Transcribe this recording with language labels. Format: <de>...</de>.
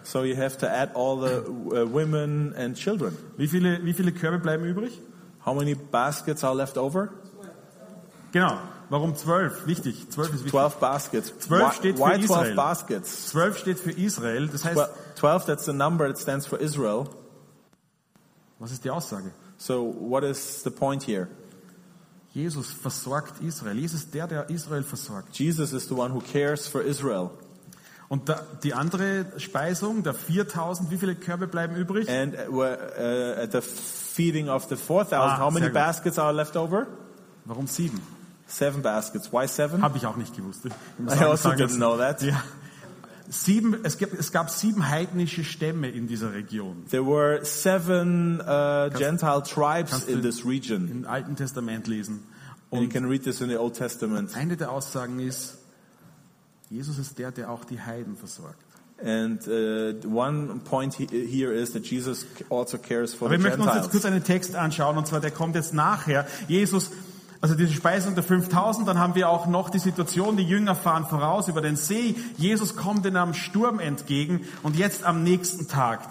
<en>So you have to add all the women and children.</en> <de>Wie viele Körbe bleiben übrig?</de> <en>How many baskets are left over?</en> <de>Genau. Warum 12? Wichtig. 12 ist wichtig.</de> <en>12 baskets.</en> <de>12 steht</de> <en>why</en> <de>für Israel.</de> <en>12 baskets?</en> <de>12 steht für Israel. Das heißt,</de> <en>12, that's the number that stands for Israel.</en> <de>Was ist die Aussage?</de> <en>So what is the point here?</en> <de>Jesus versorgt Israel. Jesus ist der Israel versorgt.</de> <en>Jesus is the one who cares for Israel.</en> <de>Und die andere Speisung, der 4000, wie viele Körbe bleiben übrig?</de> <en>And at the feeding of the 4000, how many baskets are left over?</en> <de>Warum 7?</de> <en>7 baskets. Why 7?</en> <de>Habe ich auch nicht gewusst.</de> <en>I also didn't know that.</en> <de>Ja. Es gab sieben heidnische Stämme in dieser Region.</de> <en>There were seven Gentile tribes in this region.</en> <de>Im Alten Testament lesen.</de> <en>And you can read this in the Old Testament.</en> <de>Eine der Aussagen ist, Jesus ist der, der auch die Heiden versorgt.</de> <en>And one point here is that Jesus also cares for</en> <de>Aber</de> <en>the Gentiles.</en> <de>Wir möchten uns jetzt kurz einen Text anschauen, und zwar der kommt jetzt nachher. Jesus, also diese Speisung der 5000, dann haben wir auch noch die Situation, die Jünger fahren voraus über den See. Jesus kommt ihnen am Sturm entgegen und jetzt am nächsten Tag.</de>